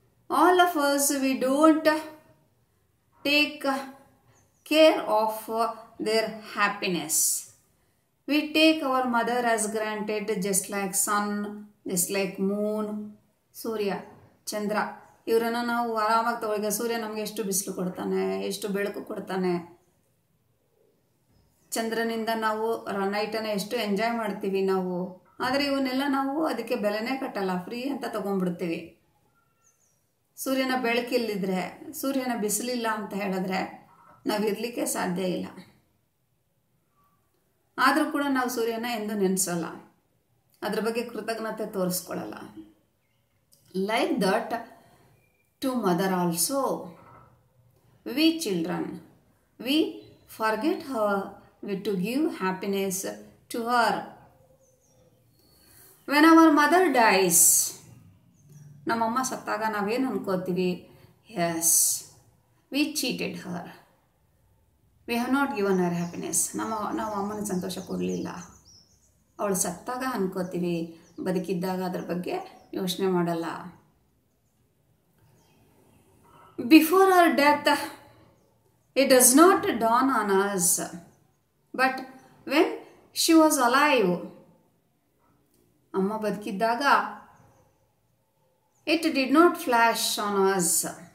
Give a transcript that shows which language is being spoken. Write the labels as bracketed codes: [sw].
[en] All of us, we don't take care of their happiness. We take our mother as granted, just like sun, just like moon, Surya, Chandra. [kn] ಇವರನ್ನ ನಾವು ಆರಾಮಾಗಿ ತಗೊಳ್ಗೆ, ಸೂರ್ಯ ನಮ್ಗೆ ಎಷ್ಟು ಬಿಸಿಲು ಕೊಡ್ತಾನೆ, ಎಷ್ಟು ಬೆಳಕು ಕೊಡ್ತಾನೆ, ಚಂದ್ರನಿಂದ ನಾವು ನೈಟನ್ನು ಎಷ್ಟು ಎಂಜಾಯ್ ಮಾಡ್ತೀವಿ ನಾವು. ಆದರೆ ಇವನ್ನೆಲ್ಲ ನಾವು ಅದಕ್ಕೆ ಬೆಲೆನೇ ಕಟ್ಟಲ್ಲ, ಫ್ರೀ ಅಂತ ತೊಗೊಂಡ್ಬಿಡ್ತೀವಿ. ಸೂರ್ಯನ ಬೆಳಕಿಲ್ಲದಿದ್ರೆ, ಸೂರ್ಯನ ಬಿಸಿಲಿಲ್ಲ ಅಂತ ಹೇಳಿದ್ರೆ ನಾವು ಇರಲಿಕ್ಕೆ ಸಾಧ್ಯ ಇಲ್ಲ. ಆದರೂ ಕೂಡ ನಾವು ಸೂರ್ಯನ ಎಂದು ನೆನೆಸಲ್ಲ, ಅದ್ರ ಬಗ್ಗೆ ಕೃತಜ್ಞತೆ ತೋರಿಸ್ಕೊಳ್ಳಲ್ಲ. [en] Like that to mother also, we children, we forget her, we to give happiness to her. When our mother dies, [kn] ನಮ್ಮ ಅಮ್ಮ ಸತ್ತಾಗ ನಾವೇನು ಅನ್ಕೋತೀವಿ? [en] Yes, we cheated her, we have not given her happiness. [kn] ನಾವು ಅಮ್ಮನ ಸಂತೋಷ ಕೊಡಲಿಲ್ಲ. ಅವಳು ಸತ್ತಾಗ ಅನ್ಕೋತೀವಿ, ಬದುಕಿದ್ದಾಗ ಅದ್ರ ಬಗ್ಗೆ ಯೋಚನೆ ಮಾಡಲ್ಲ. [en] Before our death, it does not dawn on us. But when she was alive, [kn] amma badkidaga, [en] it did not flash on us.